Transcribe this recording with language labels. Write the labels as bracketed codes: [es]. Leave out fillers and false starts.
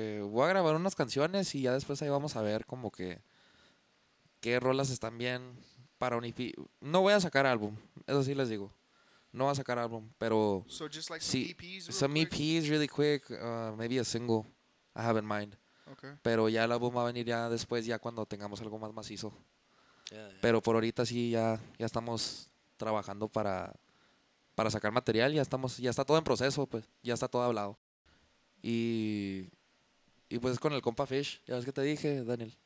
[es] Voy a grabar unas canciones y ya después ahí vamos a ver como que qué rolas están bien para un EP. No voy a sacar álbum, eso sí les digo. No voy a sacar álbum, pero [en] so just like some EPs, EPs really quick, maybe a single I have in mind. Okay. [es] Pero ya el álbum va a venir ya después, ya cuando tengamos algo más macizo. [en] Yeah. [es] Pero por ahorita sí ya estamos trabajando para sacar material, ya está todo en proceso, pues, ya está todo hablado. Y pues con el Compa Fish, ya ves que te dije, Daniel.